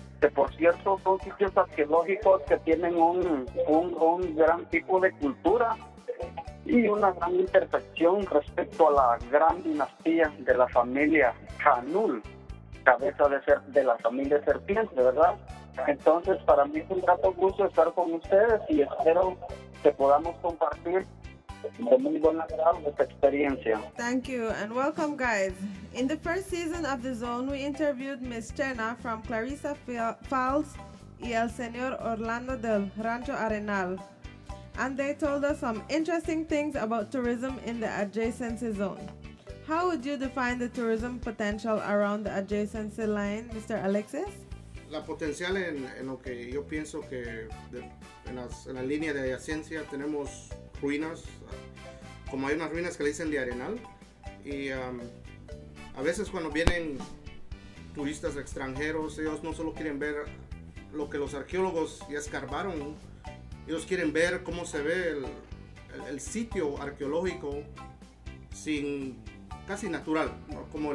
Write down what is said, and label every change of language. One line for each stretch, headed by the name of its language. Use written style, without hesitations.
Spanish: Que por cierto son sitios arqueológicos que tienen un gran tipo de cultura y una gran intersección respecto a la gran dinastía de la familia Canul, cabeza de la familia serpiente, ¿verdad? Entonces para mí es un grato gusto estar con ustedes y espero que podamos compartir de muy buena grado esta experiencia.
English: Thank you and welcome, guys. In the first season of The Zone, we interviewed Ms. Chena from Clarissa Falls
Spanish: y el Señor Orlando del Rancho Arenal,
English: and they told us some interesting things about tourism in the adjacency zone. How would you define the tourism potential around the adjacency line, Mr. Alexis?
Spanish: La potencial en lo que yo pienso que en la línea de adyacencia tenemos ruinas, como hay unas ruinas que le dicen de Arenal, y a veces cuando vienen turistas extranjeros, ellos no solo quieren ver lo que los arqueólogos ya escarbaron, ellos quieren ver cómo se ve el sitio arqueológico sin casi natural, ¿no?